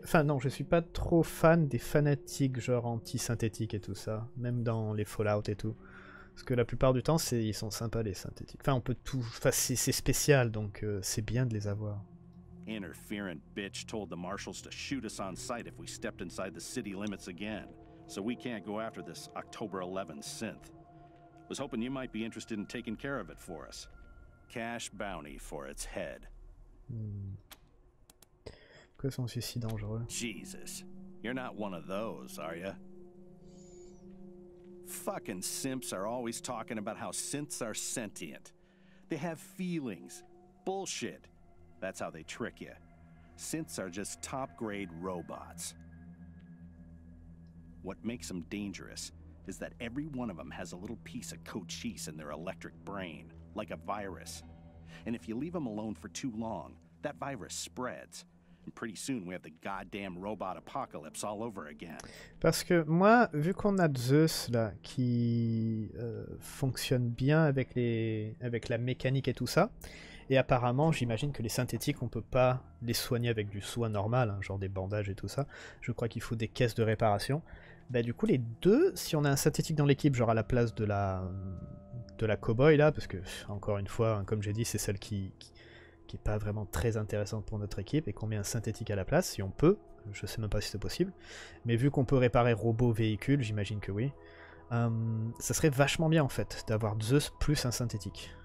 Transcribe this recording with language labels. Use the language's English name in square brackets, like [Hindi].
[French] Enfin non, je suis pas trop fan des fanatiques genre anti-synthétiques et tout ça. Même dans les Fallout et tout. Parce que la plupart du temps, ils sont sympas les synthétiques. Enfin, on peut tout. Enfin, c'est spécial, donc c'est bien de les avoir. [English] Interferent bitch told the marshals to shoot us on sight if we stepped inside the city limits again, so we can't go after this October 11th synth. Was hoping you might be interested in taking care of it for us. Cash bounty for its head. [French] Pourquoi sont ceux si dangereux? [English] Jesus, you're not one of those, are you? Fucking simps are always talking about how synths are sentient. They have feelings. Bullshit. That's how they trick you. Synths are just top grade robots. What makes them dangerous is that every one of them has a little piece of Cochise in their electric brain, like a virus. And if you leave them alone for too long, that virus spreads. And pretty soon we have the goddamn robot apocalypse all over again. [French] Parce que moi, vu qu'on a Zeus là, qui fonctionne bien avec les, avec la mécanique et tout ça, et apparemment, j'imagine que les synthétiques, on peut pas les soigner avec du soin normal, hein, genre des bandages et tout ça. Je crois qu'il faut des caisses de réparation. Bah du coup, les deux, si on a un synthétique dans l'équipe, genre à la place de la cowboy là, parce que encore une fois, hein, comme j'ai dit, c'est celle qui n'est pas vraiment très intéressante pour notre équipe, et qu'on met un synthétique à la place, si on peut, je sais même pas si c'est possible, mais vu qu'on peut réparer robots, véhicules, j'imagine que oui, ça serait vachement bien en fait, d'avoir Zeus plus un synthétique.